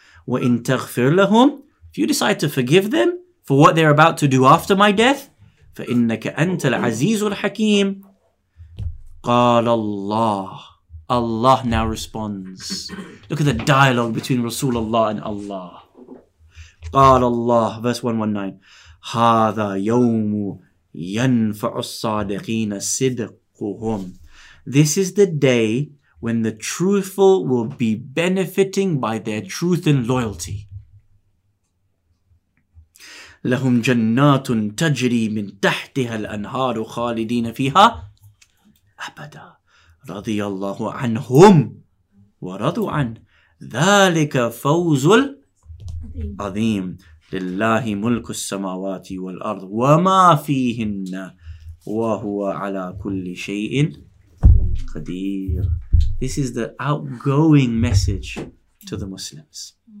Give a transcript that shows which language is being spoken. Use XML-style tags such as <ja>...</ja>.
<ar>وَإِنْ تَغْفِرْ لَهُمْ.</ar> <en>If you decide to forgive them for what they're about to do after my death,</en> <ar>فَإِنَّكَ أَنْتَ الْعَزِيزُ الْحَكِيمُ. قال الله.</ar> <en>Allah now responds. Look at the dialogue between Rasulullah and Allah.</en> <ar>قال الله, verse 119, هذا يوم ينفع الصادقين صدقهم.</ar> <en>This is the day when the truthful will be benefiting by their truth and loyalty.</en> <ar>لهم جنات تجري من تحتها الأنهار خالدين فيها. أبدا رضي الله عنهم ورضوا عن ذلك فوز العظيم لله ملك السماوات والأرض وما فيهن وهو على كل شيء قدير.</ar> <en>This is the outgoing message to the Muslims.</en>